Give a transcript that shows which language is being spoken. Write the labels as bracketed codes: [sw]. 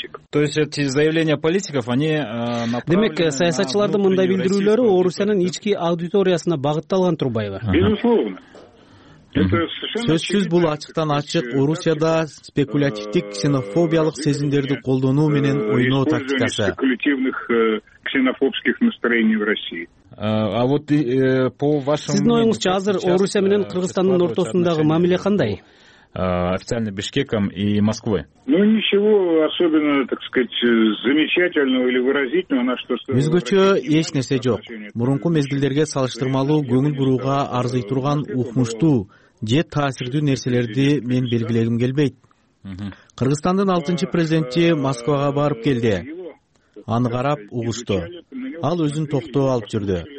[ru] То есть эти заявления политиков, они направлены. [ky] Демек, саясатчылардын мындай билдирүүлөрү Орусиянын ички аудиториясына багытталган турбайбы? Сөзсүз бул ачыктан ачык Орусияда спекулятивдик ксенофобиялык сезимдерди колдонуу менен ойноо тактикасы. Сиздин оюңузча азыр Орусия менен Кыргызстандын ортосундагы мамиле кандай? [ru] Официально Бишкеком и Москвой. Ну ничего особенно, так сказать, замечательного или выразительного на что. [ky] Өзгөчө эч нерсе жок. Мурунку мезгилдерге салыштырмалуу көңүл бурууга арзый турган укмуштуу же таасирдүү нерселерди мен белгилегим келбейт. Кыргызстандын 6-чы президенти Москвага барып келди. Аны карап угушту. Ал өзүн токтоо алып жүрдү.